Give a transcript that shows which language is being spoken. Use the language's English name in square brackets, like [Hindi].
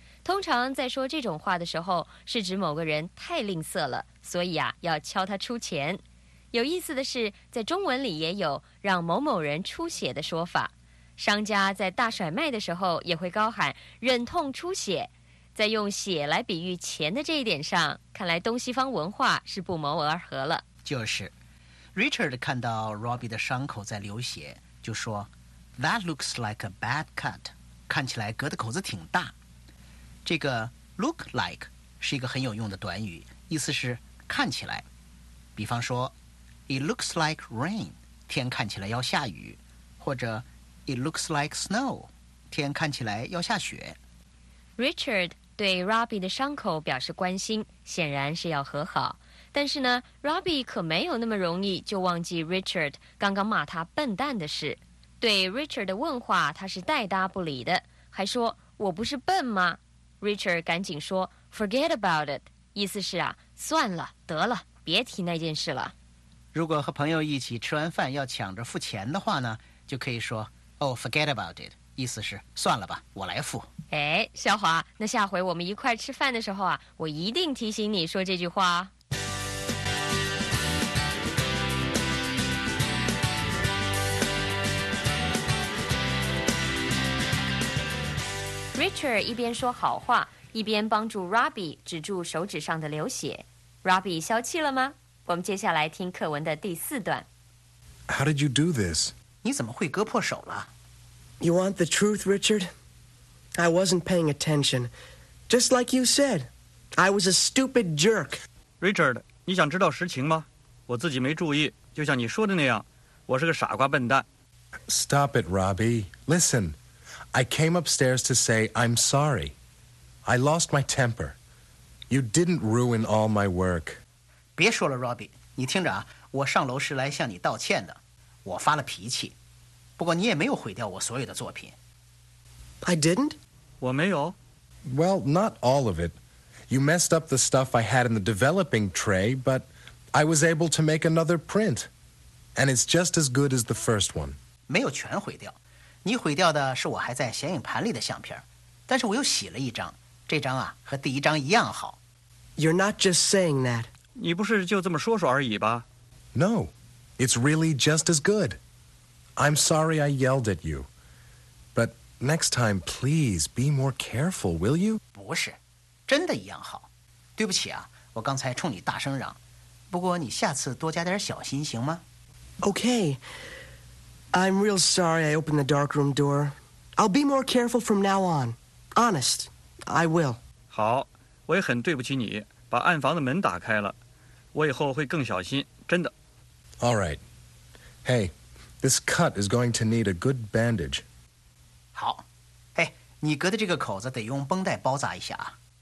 [Chinese] 通常在说这种话的时候，是指某个人太吝啬了，所以啊，要敲他出钱。有意思的是，在中文里也有让某某人出血的说法。商家在大甩卖的时候也会高喊“忍痛出血”。在用血来比喻钱的这一点上，看来东西方文化是不谋而合了。就是 ，Richard 看到 Robbie 的伤口在流血，就说 ： [English] “That looks like a bad cut。” [Chinese] 看起来割的口子挺大。这个 look like 是一个很有用的短语，意思是看起来。比方说 ， [English] It looks like rain， [Chinese] 天看起来要下雨，或者 [English] It looks like snow， [Chinese] 天看起来要下雪。 Richard 对 Robbie 的伤口表示关心，显然是要和好。但是呢 ，Robbie 可没有那么容易就忘记 Richard 刚刚骂他笨蛋的事。对 Richard 的问话，他是带搭不理的，还说：“我不是笨吗？” Richard 赶紧说 ： [English] “Forget about it。” [Chinese] 意思是啊，算了，得了，别提那件事了。如果和朋友一起吃完饭要抢着付钱的话呢，就可以说 ： [English] “Oh, forget about it。” [Chinese] 意思是算了吧，我来付。哎，小华，那下回我们一块吃饭的时候啊，我一定提醒你说这句话。 Richard 一边说好话，一边帮助 Robbie 止住手指上的流血。 Robbie 消气了吗？我们接下来听课文的第四段。 [English] How did you do this? [Chinese] 你怎么会割破手了？ [English] You want the truth, Richard? I wasn't paying attention. Just like you said, I was a stupid jerk. [Chinese] Richard, 你想知道实情吗？我自己没注意，就像你说的那样，我是个傻瓜笨蛋。 [English] Stop it, Robbie. Listen, I came upstairs to say I'm sorry. I lost my temper. You didn't ruin all my work. [Chinese] 别说了 ,Robbie. 你听着啊，我上楼是来向你道歉的。我发了脾气。不过你也没有毁掉我所有的作品。 [English] I didn't? [Chinese] 我没有。 [English] Well, not all of it. You messed up the stuff I had in the developing tray, but I was able to make another print. And it's just as good as the first one. [Chinese] 没有全毁掉。你毁掉的是我还在显影盘里的相片。但是我又洗了一张。这张啊，和第一张一样好。 [English] You're not just saying that. [Chinese] 你不是就这么说说而已吧？ [English] No, it's really just as good. I'm sorry I yelled at you. Next time, please be more careful, will you? [Chinese] 不是，真的一样好。对不起啊，我刚才冲你大声嚷。不过你下次多加点小心行吗？ [English] Okay. I'm real sorry I opened the darkroom door. I'll be more careful from now on. Honest, I will. [Chinese] 好，我也很对不起你，把暗房的门打开了。我以后会更小心，真的。 [English] All right. Hey, this cut is going to need a good bandage. [Chinese] 好，哎，你割的这个口子得用绷带包扎一下啊。